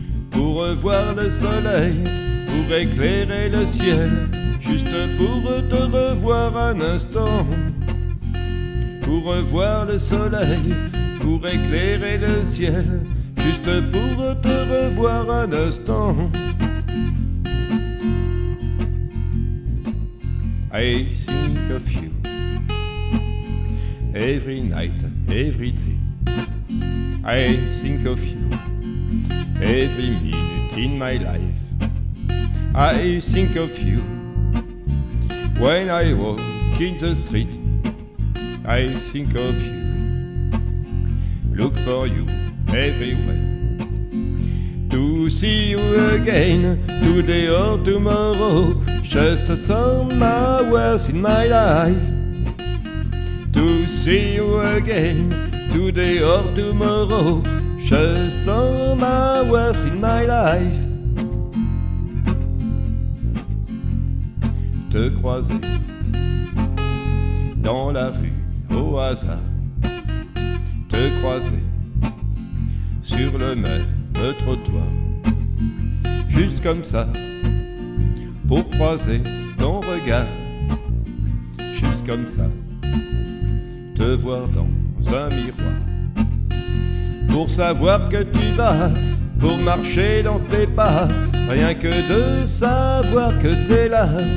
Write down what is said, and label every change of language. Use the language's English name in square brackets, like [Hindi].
[French] Pour revoir le soleil, pour éclairer le ciel, juste pour te revoir un instant. Pour revoir le soleil, pour éclairer le ciel, juste pour te revoir un instant. [English] I think of you every night, every day. I think of you every minute in my life. I think of you when I walk in the street. I think of you, look for you everywhere. To see you again, today or tomorrow, just some hours in my life. To see you again, today or tomorrow, just some hours in my life. [French] Te croiser dans la rue au hasard, te croiser sur le même trottoir, juste comme ça, pour croiser ton regard, juste comme ça, te voir dans un miroir, pour savoir que tu vas, pour marcher dans tes pas, rien que de savoir que t'es là,